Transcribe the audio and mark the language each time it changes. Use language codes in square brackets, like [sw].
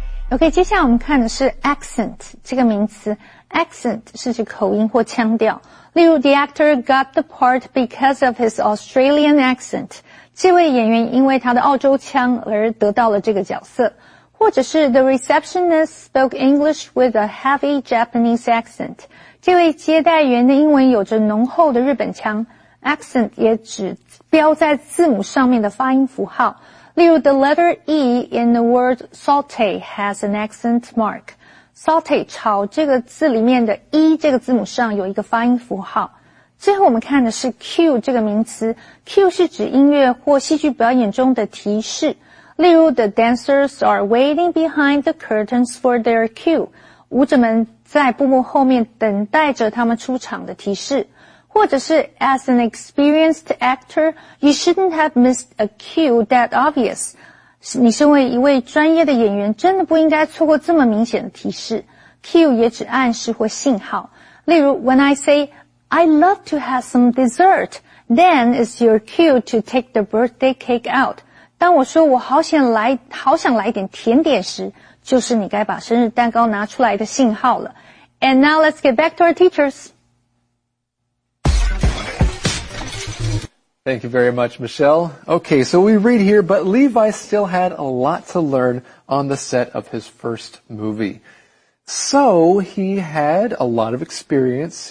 [zh] OK, 接下来我们看的是 accent 这个名词。Accent 是指口音或腔调。例如 [en] ,the actor got the part because of his Australian accent. [zh] 这位演员因为他的澳洲腔而得到了这个角色。或者是 [en] the receptionist spoke English with a heavy Japanese accent. [zh] 这位接待员的英文有着浓厚的日本腔。 Accent 也指标在字母上面的发音符号。例如 [en] the letter E in the word saute has an accent mark. [zh] Saute 炒这个字里面的 E 这个字母上有一个发音符号。最后我们看的是 Q 这个名词。Q 是指音乐或戏剧表演中的提示。例如 [en] the dancers are waiting behind the curtains for their cue. [zh] 舞者们在布幕后面等待着他们出场的提示。或者是 [en] as an experienced actor, you shouldn't have missed a cue that obvious. [zh] 你身为一位专业的演员真的不应该错过这么明显的提示。 Cue 也指暗示或信号。例如 [en] when I say, I'd love to have some dessert, then is your cue to take the birthday cake out. [zh] 当我说我好想来一点甜点时，就是你该把生日蛋糕拿出来的信号了。 [en] And now let's get back to our teachers. Thank you very much, Michelle. Okay, so we read here, but Levi still had a lot to learn on the set of his first movie. So he had a lot of experience.